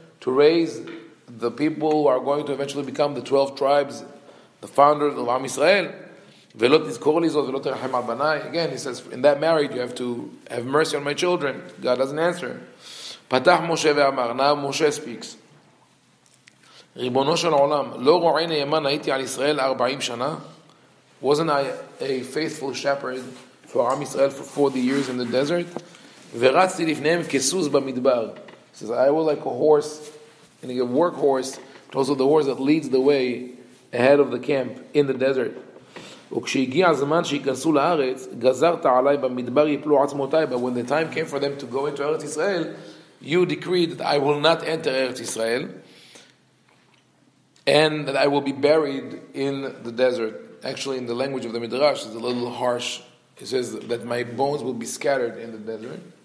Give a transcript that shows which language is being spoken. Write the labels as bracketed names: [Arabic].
[English] To raise the people who are going to eventually become the 12 tribes, the founders of Am Yisrael. Again, he says, in that marriage, you have to have mercy on my children. God doesn't answer. Patach Moshe ve'amar, now Moshe speaks. [Hebrew] ריבונו של עולם, לא רועי נאמן הייתי על ישראל 40 שנה? [English] Wasn't I a faithful shepherd for Am Yisrael for 40 years in the desert? [Hebrew] ורצתי לפניהם כסוס במדבר. [English] He says, I was like a horse, and a workhorse, but also the horse that leads the way ahead of the camp in the desert. [Hebrew] וכשהגיע הזמן שיכנסו לארץ, גזרת עליי במדבר יפלו עצמותיי. [English] But when the time came for them to go into Eretz Israel, you decreed that I will not enter Eretz Israel, and that I will be buried in the desert. Actually, in the language of the Midrash, it's a little harsh. It says that my bones will be scattered in the desert.